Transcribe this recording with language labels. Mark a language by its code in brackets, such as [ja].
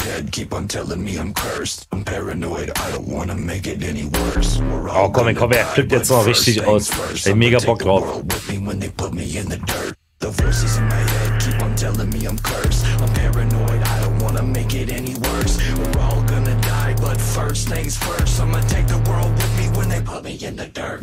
[en] Keep on telling me I'm cursed, I'm paranoid, I don't wanna make it any worse. [de] Oh komm, er flippt jetzt noch richtig aus. Ich hab mega Bock drauf. [en] The voices in my head keep on telling me I'm cursed, I'm paranoid, I don't wanna make it any worse. We're all gonna die, but first things first, I'm gonna take the world with me when they put me in the dirt.